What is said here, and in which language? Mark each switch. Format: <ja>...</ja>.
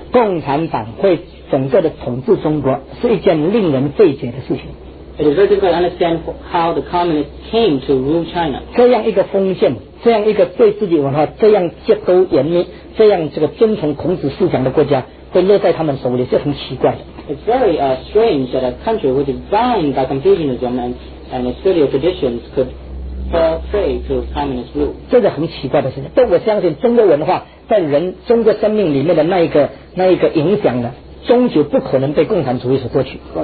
<zh>共产党会整个的统治中国是一件令人费解的事情。</zh> <en>It is very difficult to understand how the communists came to rule China.</en> <zh>这样一个封建，这样一个对自己文化这样结构严密，这样这个遵从孔子思想的国家，会落在他们手里，是很奇怪的。</zh> <en>It's very strange that a country which is bound by Confucianism and its filial traditions could fall prey to communist rule.</en> <zh>这是很奇怪的事情。但我相信中国文化在人中国生命里面的那一个影响呢，终究不可能被共产主义所过去。</zh>